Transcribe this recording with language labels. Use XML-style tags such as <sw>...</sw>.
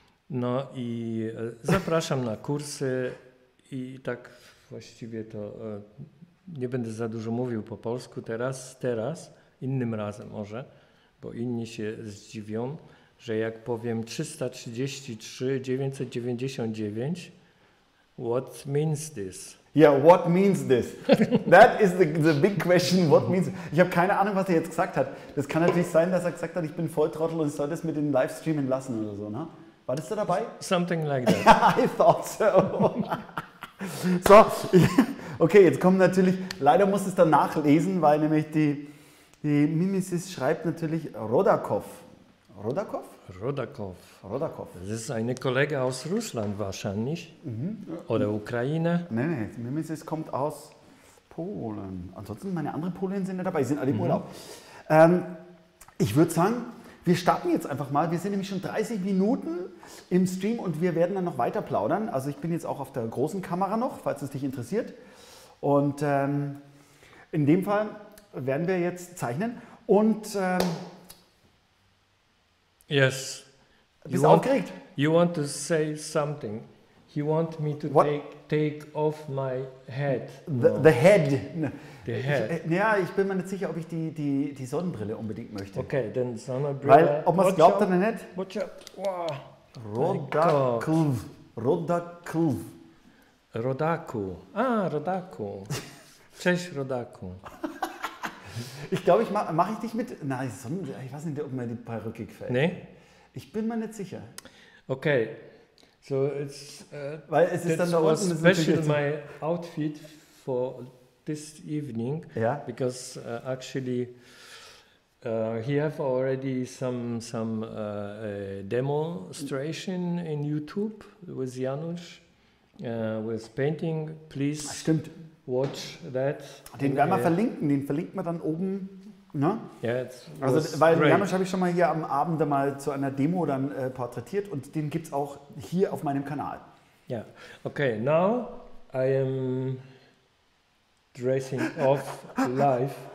<pl>No i zapraszam na kursy i tak właściwie to nie będę za dużo mówił po polsku teraz, innym razem może, bo inni się zdziwią, że jak powiem 333 999,</pl> <en>what means this? Ja, yeah, what means this? That is the big question, what means it?</en> <de>Ich habe keine Ahnung, was er jetzt gesagt hat. Das kann natürlich sein, dass er gesagt hat, ich bin Volltrottel und ich soll das mit den Livestreamen lassen oder so, ne? War das da dabei?</de> <en>Something like that. I thought so.</en> <de>So, okay, jetzt kommt natürlich, leider muss es dann nachlesen, weil nämlich die Mimesis schreibt natürlich Rodakov. Rodakov? Rodakov. Rodakov. Das ist eine Kollege aus Russland wahrscheinlich. Mhm. Oder Ukraine. Nein, Mimesis kommt aus Polen. Ansonsten, meine anderen Polen sind ja dabei, sind alle im Urlaub. Ich würde sagen, wir starten jetzt einfach mal. Wir sind nämlich schon 30 Minuten im Stream und wir werden dann noch weiter plaudern. Also ich bin jetzt auch auf der großen Kamera noch, falls es dich interessiert. Und in dem Fall werden wir jetzt zeichnen. Und</de> <en>yes.</en> <de>Bist du aufgeregt?</de> <en>You want to say something. You want me to take off my head. No. The head. The head.</en> <de>Ich bin mir nicht sicher, ob ich die Sonnenbrille unbedingt möchte. Okay, dann Sonnenbrille. Weil, ob man es glaubt oder nicht.</de> <en>Watch out. Wow. Rodakov. Rodakov.</en> <pl>Rodaku. Ah, Rodaku. Cześć, Rodaku.</pl> <de>Ich glaube, mache ich dich mit. Nein, Sonnenbrille. Ich weiß nicht, ob mir die Perücke gefällt. Nee? Ich bin mir nicht sicher. Okay.</de> <en>So it's especially my outfit for this evening. Yeah. Because actually he have already some demonstration in YouTube with Janusz with painting. Please</en> <de>stimmt.</de> <en>Watch that.</en> <de>Den werden wir verlinken, den verlinkt man dann oben. Ne?</de> <en>Yeah,</en> <de>also, weil Janusz habe ich schon mal hier am Abend mal zu einer Demo dann porträtiert und den gibt es auch hier auf meinem Kanal.</de> <en>Ja, yeah. Okay, now I am dressing off live.</en>